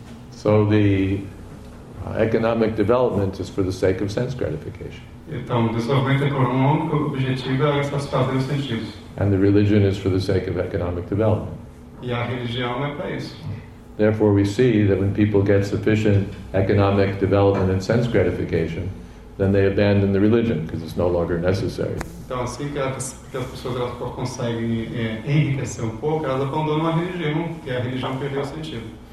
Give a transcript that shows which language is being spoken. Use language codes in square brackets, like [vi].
[en] So the economic development is for the sake of sense gratification. [pt] Então, o desenvolvimento econômico, o objetivo é satisfazer os sentidos. [en] And the religion is for the sake of economic development. [pt] E a religião é para isso. [en] Therefore, we see that when people get sufficient economic development and sense gratification, then they abandon the religion because it's no longer necessary. [pt] Então, assim que as pessoas elas conseguem enriquecer pouco, elas abandonam a religião, porque a religião perdeu o sentido.